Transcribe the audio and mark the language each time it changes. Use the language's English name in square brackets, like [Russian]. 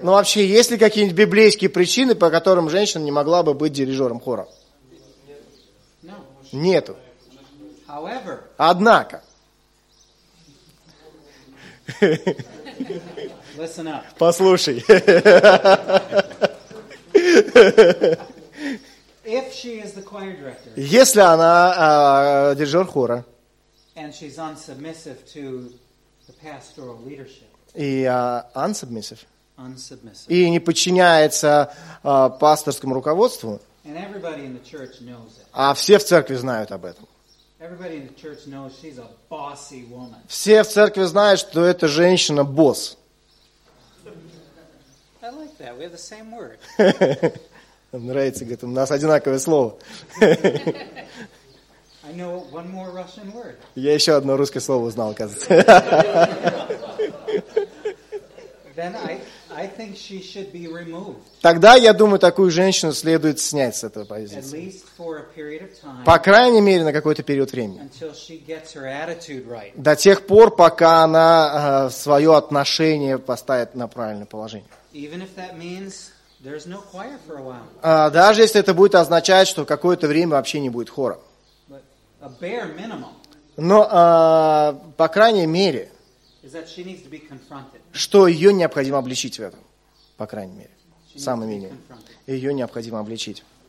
[Russian] Ну вообще, есть ли какие-нибудь библейские причины, по которым женщина не могла бы быть дирижером хора? Нету. [English] However. [Russian] Однако. [English] Listen up. [Russian] Послушай. [English] If she is the choir director. [Russian] Если она дирижер хора. [English] And she's unsubmissive to the pastoral leadership. [Russian] И [English] unsubmissive. Unsubmissive. [Russian] И не подчиняется пасторскому руководству. [English] And everybody in the church knows it. [Russian] А все в церкви знают об этом. [English] Everybody in the church knows she's a bossy woman. [Russian] Все в церкви знают, что эта женщина босс. [English] I like that. We have the same word. [Russian] Нравится, говорит, у нас одинаковое слово. [English] I know one more Russian word. [Russian] Я еще одно русское слово узнал, оказывается. [English] Then I think she should be removed. [Russian] Тогда, я думаю, такую женщину следует снять с этого позиции. [English] At least for a period of time. [Russian] По крайней мере, на какой-то период времени. [English] Until she gets her attitude right. [Russian] До тех пор, пока она свое отношение поставит на правильное положение. [English] Even if that means there's no choir for a while. [Russian] Даже если это будет означать, что какое-то время вообще не будет хора. [English] But a bare minimum. [Russian] Но, по крайней мере, [English] is that she needs to be confronted. [Russian] Что ее необходимо обличить в этом, по крайней мере, самый минимум. Ее необходимо обличить.